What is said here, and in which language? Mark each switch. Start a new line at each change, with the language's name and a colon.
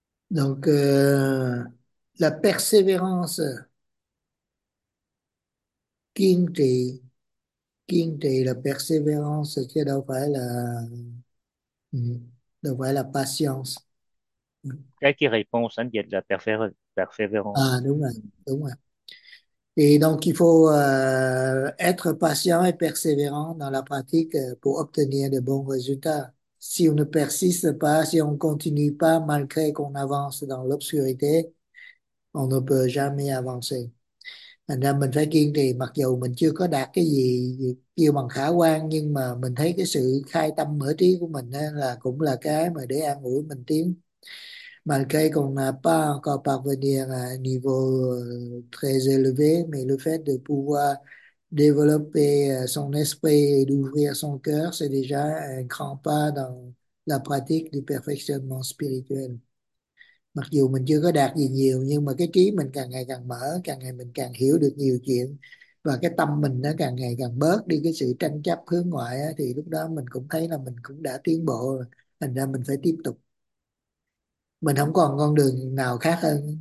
French: Donc, la persévérance,
Vietnamese: kiên trì là persévérance, chứ đâu phải là patience. Cái kia réponse anh dịch là perseverance. Đúng rồi.
French: Et donc, il faut être patient et persévérant dans la pratique pour obtenir de bons résultats. Si on ne persiste pas, si on continue pas malgré qu'on avance dans l'obscurité, on ne peut jamais avancer.
Vietnamese: Thành ra mình phải kiên trì, mặc dù mình chưa có đạt cái gì kêu bằng khả quan, nhưng mà mình thấy cái sự khai tâm mở trí của mình ấy, là cũng là cái mà để an ủi mình tiến.
French: Malgré qu'on n'a pas encore parvenir à un niveau très élevé, mais le fait de pouvoir développer son esprit et d'ouvrir son cœur, c'est déjà un grand pas dans la pratique du perfectionnement spirituel.
Vietnamese: Mặc dù mình chưa có đạt gì nhiều, nhưng mà cái trí mình càng ngày càng mở, càng ngày mình càng hiểu được nhiều chuyện, và cái tâm mình nó càng ngày càng bớt đi cái sự tranh chấp hướng ngoại, thì lúc đó mình cũng thấy là mình cũng đã tiến bộ. Thành ra mình phải tiếp tục. Mình không còn con đường nào khác hơn.